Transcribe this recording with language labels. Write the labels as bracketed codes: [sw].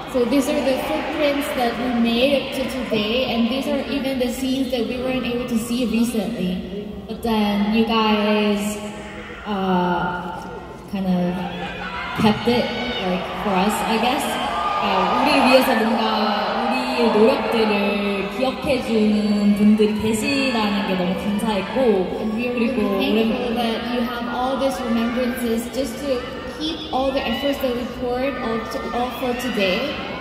[en] So these are the footprints that we made up to today, and these are even the scenes that we weren't able to see recently. But then you guys kind of kept it like for us, I guess. [ko] 우리 위해서 뭔가 우리의 노력들을 기억해 주는 분들이 계시다는 게 너무 감사했고, [en] and we are thankful that you have all these remembrances just to keep all the efforts that we poured all for today.